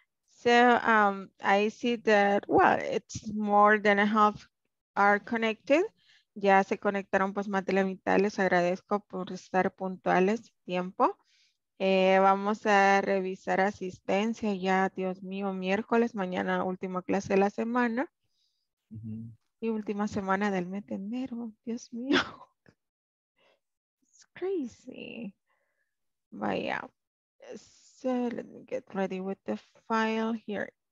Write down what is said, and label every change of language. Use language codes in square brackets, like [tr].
[en] So I see that, well, it's more than a half are connected. [es] Ya se conectaron pues más de la mitad. Les agradezco por estar puntuales, tiempo. Vamos a revisar asistencia ya, Dios mío, miércoles, mañana última clase de la semana. Y última semana del mes de enero, Dios mío. [en] It's crazy. [es] Vaya. [en] So let me get ready with the file here.